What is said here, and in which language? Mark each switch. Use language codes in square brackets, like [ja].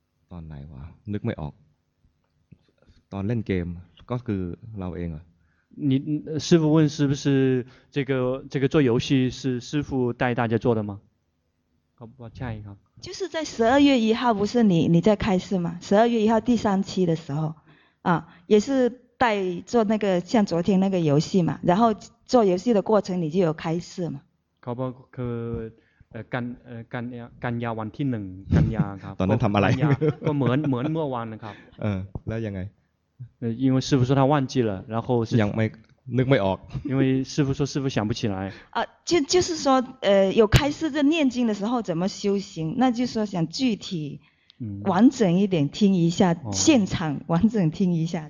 [th] ตอนไหนวะนึกไม่ออกตอนเล่นเกมก็คือเราเองอ่ะ [zh] 你师父问是不是这个做游戏是师父带大家做的吗？就是在十二月一号，不是你在开示吗？十二月一号第三期的时候，啊，也是带做那个像昨天那个游戏嘛，然后做游戏的过程你就有开示嘛。 [th] เขาบอกคือกันยาวันที่หนึ่งกันยาครับ ตอนนั้นทำอะไร ก็เหมือนเมื่อวานนะครับ เออแล้วยังไง [zh] 因为师父说他忘记了然后 [th] ยังไม่นึกไม่ออก [zh] 因为师父说师父想不起来啊就是说有开示在念经的时候怎么修行那就说想具体完整一点听一下现场完整听一下